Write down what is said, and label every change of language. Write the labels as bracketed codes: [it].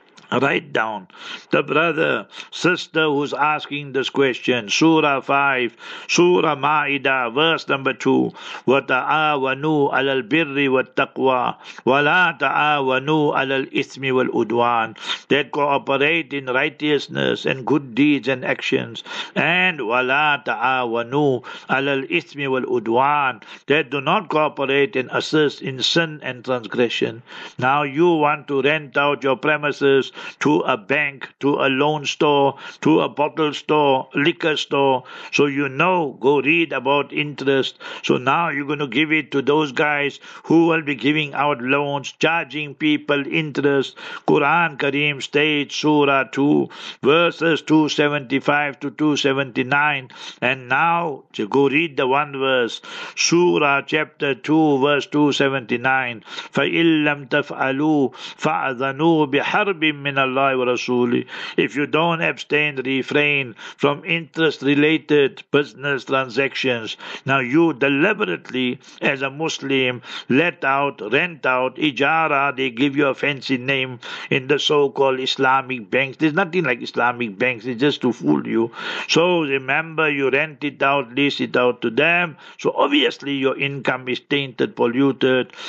[en] Write down the brother, sister who's asking this question. Surah 5, Surah Ma'idah, verse number 2. [ar] وَتَعَاوَنُوا عَلَى الْبِرِّ وَالتَّقْوَى وَلَا تَعَاوَنُوا عَلَى الْإِثْمِ وَالْعُدْوَانِ. [en] They cooperate in righteousness and good deeds and actions. [ar] And وَلَا تَعَاوَنُوا عَلَى الْإِثْمِ وَالْعُدْوَانِ. [en] They do not cooperate and assist in sin and transgression. Now you want to rent out your premises to a bank, to a loan store, to a bottle store, liquor store. So you know, go read about interest. So now you're going to give it to those guys who will be giving out loans, charging people interest. Quran Kareem states, Surah 2, verses 275 to 279. And now, to go read the one verse, Surah chapter 2, verse 279. [ar] فَإِن لَمْ تَفْعَلُوا فَأَذَنُوا بِحَرْبٍ مِنْ Allah wa Rasooli. [en] If you don't abstain, refrain from interest-related business transactions. Now you deliberately, as a Muslim, let out, rent out, ijara, they give you a fancy name in the so-called Islamic banks. There's nothing like Islamic banks, it's just to fool you. So remember, you rent it out, lease it out to them, so obviously your income is tainted, polluted.